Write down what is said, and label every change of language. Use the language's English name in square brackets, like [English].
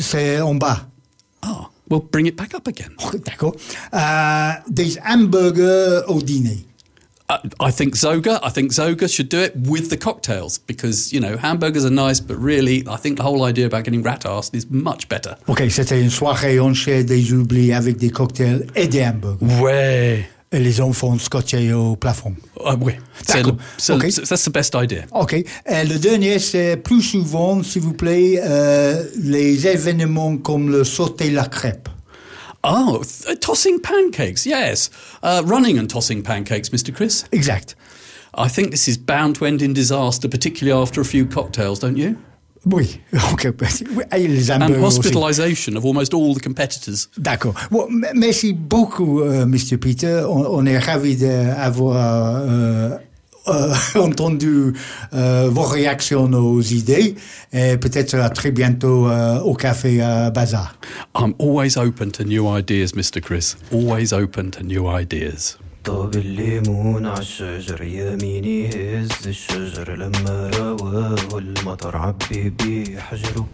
[French] C'est en bas. [English] Oh, we'll bring it back up again. [French] Okay, d'accord. Des hamburgers au dîner. [English] I think Zoga should do it with the cocktails because, you know, hamburgers are nice, but really, I think the whole idea about getting rat-arsed is much better. [French] OK, c'était une soirée en chair des oublis avec des cocktails et des hamburgers. Ouais. Et les enfants scotchés au plafond. Oui. D'accord. [English] That's the best idea. OK. [French] Et le dernier, c'est plus souvent, s'il vous plaît, les événements comme le sauter la crêpe. [English] Oh, tossing pancakes, yes. Running and tossing pancakes, Mr. Chris. [French] Exact. [English] I think this is bound to end in disaster, particularly after a few cocktails, don't you? [French] Oui. Okay. [English] And hospitalisation of almost all the competitors. [French] D'accord. Well, merci beaucoup, Mr. Peter. On est ravis d'avoir entendu vos réactions aux idées et peut-être à très bientôt au café Bazaar. [English] I'm always open to new ideas, Mr. Chris. Always open to new ideas. [Arabic] طاب الليمون عالشجر يا مين يهز الشجر لما رواه والمطر عبي بيحجره.